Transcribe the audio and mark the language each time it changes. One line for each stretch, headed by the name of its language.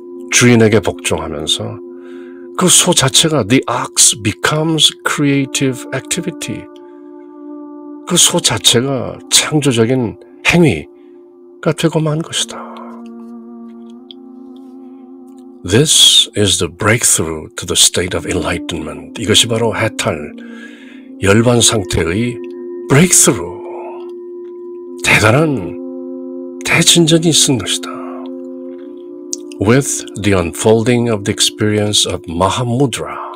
Korean: 주인에게 복종하면서 그 소 자체가
English: the ox becomes creative activity.
Korean: 그 소 자체가 창조적인 행위가 되고 만 것이다.
English: This is the breakthrough to the state of enlightenment.
Korean: 이것이 바로 해탈, 열반 상태의 breakthrough. 대단한 대진전이 있은 것이다.
English: With the unfolding of the experience of Mahamudra.